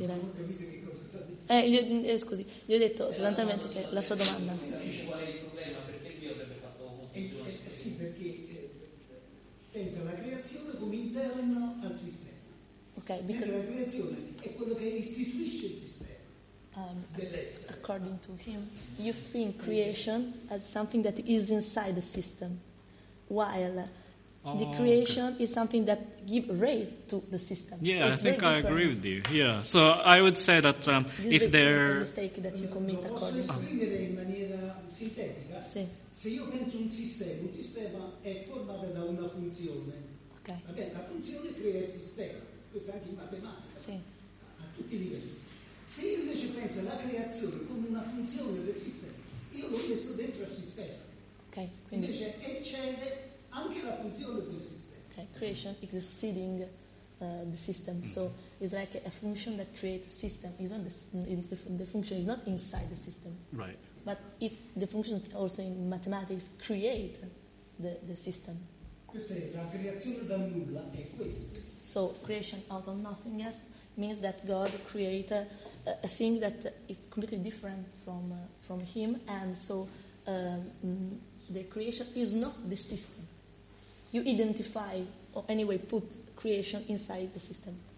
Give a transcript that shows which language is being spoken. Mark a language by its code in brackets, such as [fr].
[it] Gli ho detto sostanzialmente che la sua domanda. Qual è il problema? Perché lui avrebbe fatto sì, perché pensa alla creazione come interno al sistema. Ok, perché la creazione è quello che istituisce il sistema. [en] According to him, you think creation as something that is inside the system, while the creation is something that give rise to the system. Yeah, so I think I agree with you. Yeah, so I would say that if there... mistake that you commit according [it] to... posso esprimere in maniera sintetica? Sì. Se io penso un sistema è formato da una funzione. Ok. Vabbè, la funzione crea il sistema. Questo è anche in matematica. Sì. A tutti i livelli. Se io invece penso alla creazione come una funzione del sistema, io lo messo dentro al sistema. Ok, quindi... invece eccede... anche la funzione del sistema. [en] Okay, creation is exceeding the system, so it's like a function that creates a system. It's not the function is not inside the system. Right. But the function also in mathematics create the system. [it] Questa è la creazione da nulla, è questo. [en] So creation out of nothing else means that God created a thing that is completely different from him, and so the creation is not the system. You identify or anyway put creation inside the system.